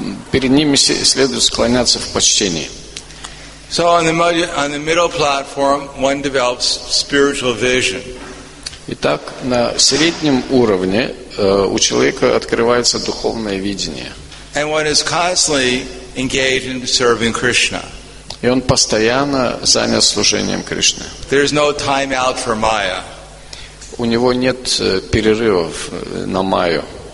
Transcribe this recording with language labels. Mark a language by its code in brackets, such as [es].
[ru] Перед ними следует склоняться в почтении. [en] So on the middle platform, one develops spiritual vision. [ru] Итак, на среднем уровне у человека открывается духовное видение. [en] And one is constantly engaged in serving Krishna. [ru] И он постоянно занят служением Кришне. [en] There is no time out for Maya. [ru] У него нет перерывов на Майю.